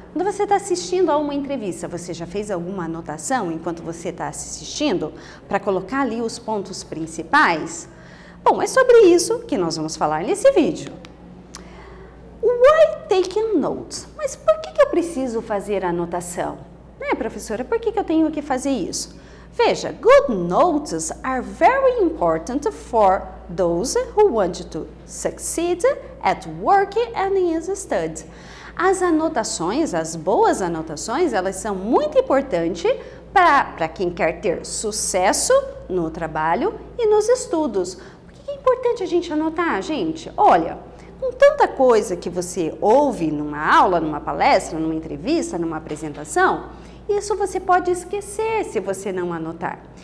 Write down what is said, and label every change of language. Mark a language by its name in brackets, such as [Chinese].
[Portuguese] Quando você está assistindo a uma entrevista, você já fez alguma anotação enquanto você está assistindo para colocar ali os pontos principais? Bom, é sobre isso que nós vamos falar nesse vídeo. [English] Why taking notes? [Portuguese] Mas por que eu preciso fazer anotação? Né, professora, por que eu tenho que fazer isso? Veja, [English] good notes are very important for those who want to succeed at work and in studies. [Portuguese] As anotações, as boas anotações, elas são muito importantes para quem quer ter sucesso no trabalho e nos estudos. Por que é importante a gente anotar, gente? Olha, com tanta coisa que você ouve numa aula, numa palestra, numa entrevista, numa apresentação, isso você pode esquecer se você não anotar.